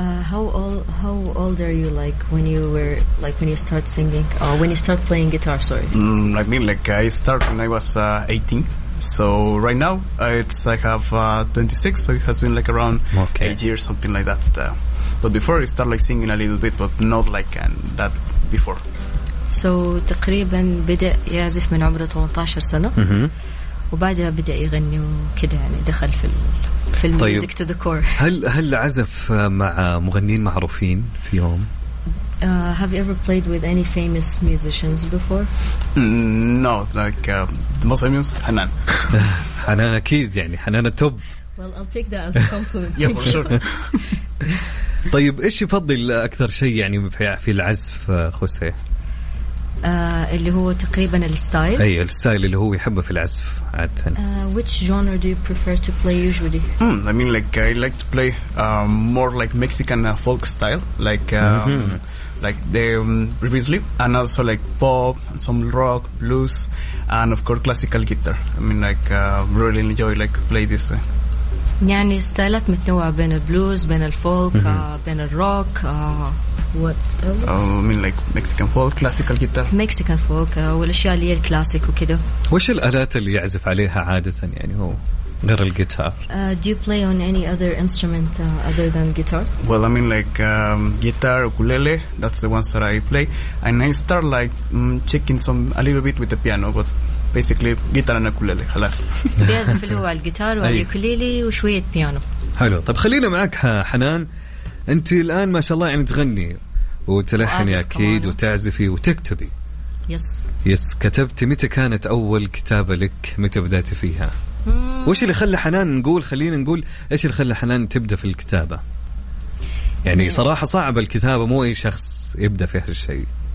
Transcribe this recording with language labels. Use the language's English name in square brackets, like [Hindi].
[English] How old are you like when you were like when you start singing or when you start playing guitar? Sorry. I mean like I start when I was 18. So right now it's I have 26. So it has been like around 8 years something like that. But before I start like singing a little bit, but not like that before. [Arabic] So تقريبا بدأ يعزف من عمره 18 سنة. وبعدها بدأ يغني وكده يعني دخل في الميوزك تو ذا كور. هل عزف مع مغنيين معروفين في يوم؟ [English] Have you ever played with any famous musicians before? No, like the most famous Hanan. [Arabic] Hanan أكيد يعني Hanan التوب. [English] Well, I'll take that as a compliment. Yeah, for sure. [Arabic] طيب إيش يفضل أكثر شيء يعني في العزف خوسي؟ اللي هو تقريبا الستايل. أي الستايل اللي هو يحبه في العزف عادة. [English] Which genre do you prefer to play usually? I mean like I like to play more like Mexican folk style like like the previously and also like pop, some rock, blues and of course classical guitar. I mean like really enjoy like play this. [Arabic] يعني ستايلات متنوعة بين البلوز بين الفولك بين الروك. [English] What else? I mean like Mexican folk, classical guitar. [Arabic] Mexican folk, والأشياء اللي هي الكلاسيك وكده. وش الآلات اللي يعزف عليها عادة يعني هو غير الجيتار؟ [English] Do you play on any other instrument other than guitar? Well, I mean like guitar, ukulele, that's the ones that I play. And I start like checking some a little bit with the piano, but basically guitar and ukulele, خلاص. [Arabic] بيعزف اللي هو على الجيتار وعلى الكليلي وشوية بيانو. حلو. طب خلينا معك حنان. أنت الآن ما شاء الله يعني تغني وتلحني أكيد وتعزفي وتكتبي. [English] yes [Arabic] كتبتي. متى كانت أول كتابة لك؟ متى بدأت فيها؟ وش اللي خلى حنان نقول خلينا نقول إيش اللي خلى حنان تبدأ في الكتابة؟ يعني صراحة صعبة الكتابة, مو أي شخص يبدأ في هالشيء.